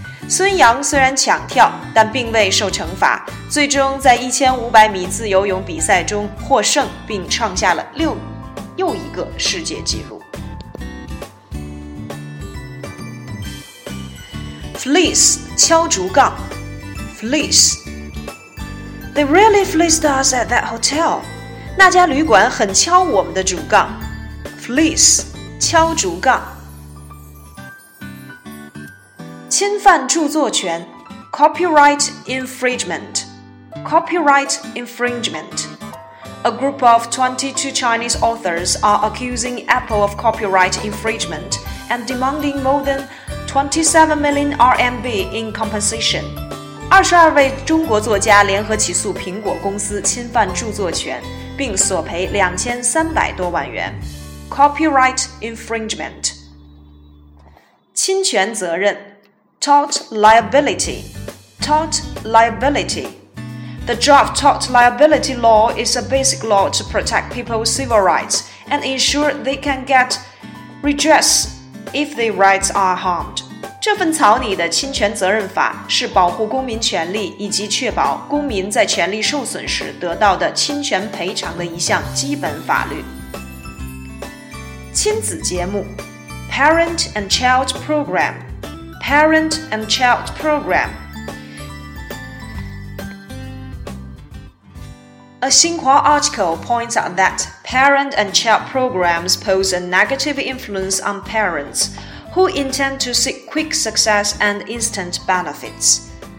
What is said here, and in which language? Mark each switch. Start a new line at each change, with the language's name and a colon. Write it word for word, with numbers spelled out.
Chinese: 孙杨虽然抢跳，但并未受惩罚，最终在
English: fifteen hundred
Chinese: 米自由泳比赛中获胜，并创下了六又一个世界纪录。
English: Fleece
Chinese: 敲竹杠
English: Fleece They really fleeced us at that hotel.
Chinese: 那家旅馆很敲我们的竹杠。
English: Fleece
Chinese: 敲竹杠。侵犯著作权
English: Copyright infringement Copyright infringement A group of twenty-two Chinese authors are accusing Apple of copyright infringement and demanding more than twenty-seven million R M B in compensation.
Chinese: 二十二位中国作家联合起诉苹果公司侵犯著作权，并索赔两千三百多万元。
English: Copyright infringement.
Chinese: 侵权责任
English: Tort liability Tort liability The draft tort liability law is a basic law to protect people's civil rights and ensure they can get redress if their rights are harmed.
Chinese: 这份草拟的侵权责任法是保护公民权利以及确保公民在权利受损时得到的侵权赔偿的一项基本法律。亲子节目
English: Parent and Child Program Parent and Child Program A Xinhua article points out that parent and child programs pose a negative influence on parents who intend to seek quick success and instant benefits.